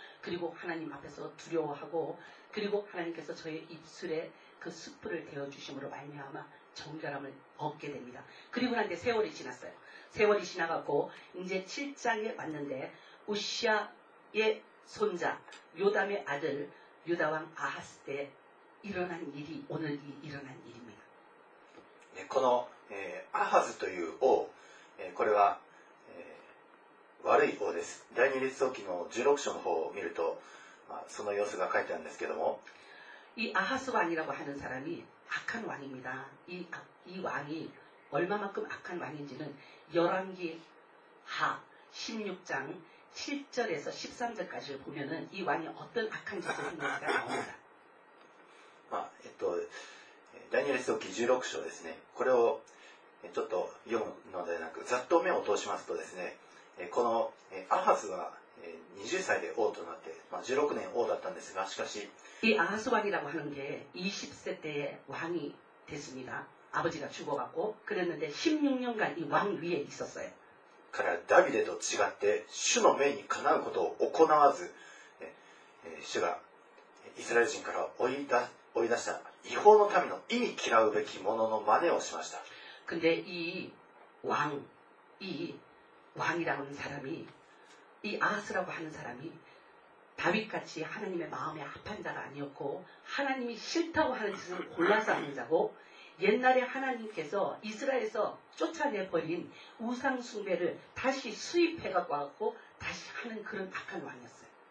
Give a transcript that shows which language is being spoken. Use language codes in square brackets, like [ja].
[ko] 그리고하나님앞에서두려워하고그리고하나님께서저의입술에그숯불을대어주심으로말미암아정결함을얻게됩니다그리고난뒤세월이지났어요세월이지나갔고이제7장에왔는데우시아의손자요담의아들유다왕아하스때일어난일이오늘이일어난일입니다 [ja] 네이아하즈という王これは悪い王です。第二列王記の16章の方を見ると、まあ、その様子が書いてあるんですけども。 [ko] 이아하스왕이라고하는사람이악한왕입니다。 이왕이얼마만큼악한왕인지는열왕기하16장7절에서13절까지보면은이왕이어떤악한짓을했는지가나옵니다。 [ja] まあ、第二列王記16章ですね。これをちょっと読むのではなく、ざっと目を通しますとですね、このアハズは20歳で王となって、まあ、16年王だったんですが、しかし、 [ko] 이아하스왕이라고하는게20세때의왕이됐습니다。 아버지가죽어갖고그랬는데16년간이왕위에있었어요。 [ja] 彼はダビデと違って主の命にかなうことを行わず、主がイスラエル人から追い出した異邦の民の忌み嫌うべきものの真似をしました。 [ko] 근데이왕이왕이라고하는사람이이아하스라고하는사람이다윗같이하나님의마음에합한자가아니었고하나님이싫다고하는짓을골라서하는자고옛날에하나님께서이스라엘에서쫓아내버린우상숭배를다시수입해갖고다시하는그런악한왕이었어요